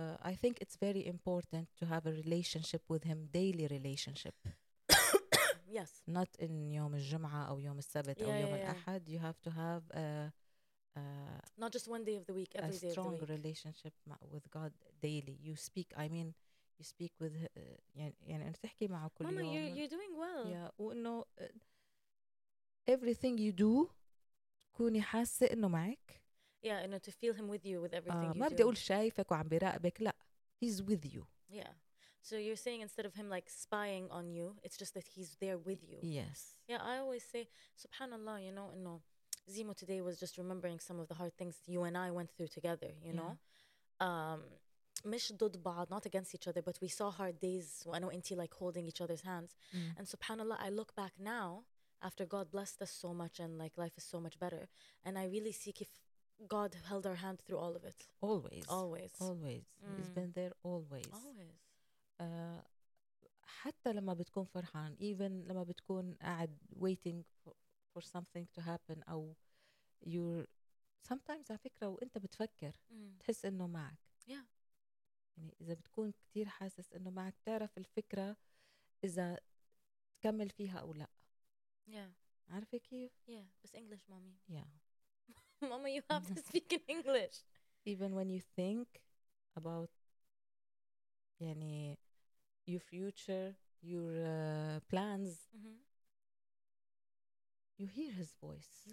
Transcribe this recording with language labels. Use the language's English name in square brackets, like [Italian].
[English] I think it's very important to have a relationship with him, daily relationship. yes. Not in [Arabic] يوم الجمعة أو يوم السبت أو يوم الأحد. [English] You have to have a... not just one day of the week, every day of the week. A strong relationship with God daily. You speak, I mean... You speak with [Arabic] يعني أنا تحكي معه كل [English] Mama, [Arabic] يوم. [English] Mama, you're doing well. [Arabic] Yeah, وإنه [English] everything you do [Arabic] تكوني حاسة إنه معك. [English] Yeah, and to feel him with you with everything you do. [Arabic] ما بدي أقول شايفك وعم براقبك لا. [English] He's with you. Yeah, so you're saying instead of him like spying on you, it's just that he's there with you. Yes. Yeah, I always say Subhanallah. You know, إنه Zimo today was just remembering some of the hard things you and I went through together. You know. [Arabic] مش ضد بعض, [English] not against each other, but we saw hard days when we were like holding each other's hands. Mm. And subhanAllah, I look back now after God blessed us so much and like life is so much better. And I really see if God held our hand through all of it. Always. Mm. He's been there always. Always. [Arabic] حتى لما بتكون فرحان, even لما بتكون قاعد [English] waiting for something to happen, or you're sometimes [Arabic] على فكرة وانت بتفكر تحس انه معك. [English] Yeah. [Arabic] يعني إذا بتكون كتير حاسس إنه معك تعرف الفكرة إذا تكمل فيها أو لا. [English] Yeah. [Arabic] عارفة كيف؟ [English] Yeah. [Arabic] بس [English] English, mommy. Yeah. Mama, you have to speak in English. Even when you think about يعني your future, your plans, you hear his voice.